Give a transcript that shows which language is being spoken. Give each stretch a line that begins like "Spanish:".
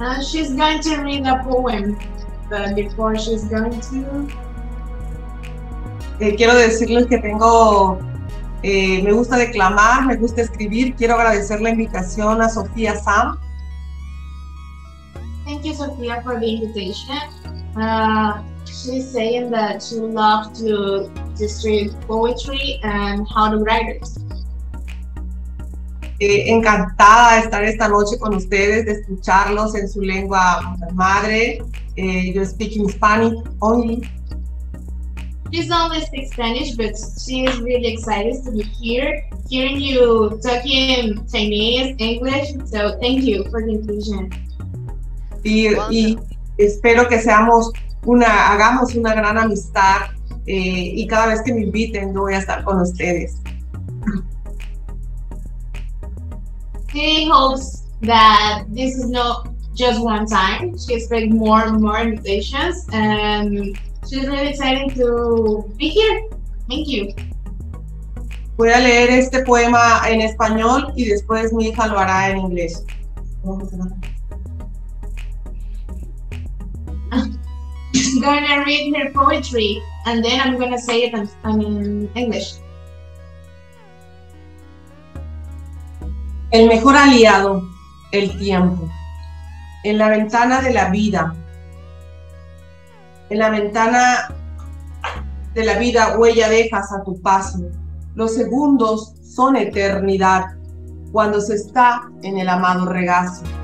English: She's going to read a poem, but before she's going to.
Spanish: Quiero decirles que tengo, me gusta declamar, me gusta escribir. Quiero agradecer la invitación a Sofía Sam.
English: Thank you, Sofía, for the invitation. She's saying that she loves to distribute poetry and how to write it.
Spanish: Encantada de estar esta noche con ustedes, de escucharlos en su lengua madre.
English: You're speaking Spanish only. She's only speaking Spanish, but she is really excited to be here, hearing you talking Chinese, English. So thank you for the inclusion.
Spanish: Y espero que hagamos una gran amistad. Y cada vez que me inviten, yo voy a estar con ustedes.
English: She hopes that this is not just one time. She expects more and more invitations, and she's really excited to be here. Thank you.
Spanish: Voy a leer este poema en español y después mi hija lo hará en inglés.
English: I'm going to read her poetry and then I'm going to say it in English.
Spanish: El mejor aliado, el tiempo. En la ventana de la vida. En la ventana de la vida huella dejas a tu paso. Los segundos son eternidad cuando se está en el amado regazo.